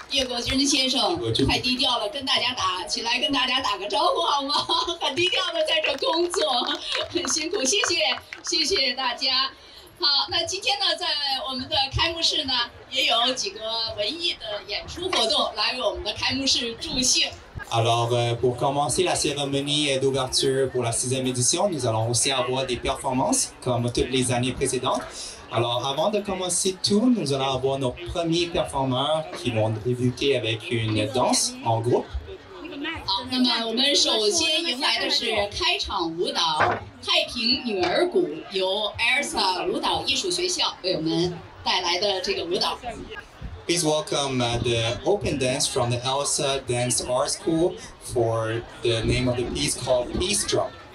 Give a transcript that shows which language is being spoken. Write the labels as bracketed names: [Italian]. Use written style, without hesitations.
[Chinese] 叶国珍先生太低调了，跟大家打起来，跟大家打个招呼好吗？很低调的在这工作，很辛苦，谢谢，谢谢大家。好，那今天呢，在我们的开幕式呢，也有几个文艺的演出活动来为我们的开幕式助兴。 [French] Alors, pour commencer la cérémonie d'ouverture pour la 6e édition, nous allons aussi avoir des performances comme toutes les années précédentes. Alors, avant de commencer tout, nous allons avoir nos premiers performeurs qui vont débuter avec une danse en groupe. [Chinese] 好，那么我们首先迎来的是开场舞蹈《太平女儿谷》，由 ELSA 舞蹈艺术学校为我们带来的这个舞蹈。 [English] Please welcome the open dance from the ELSA Dance Art School for the name of the piece called Peace Drum.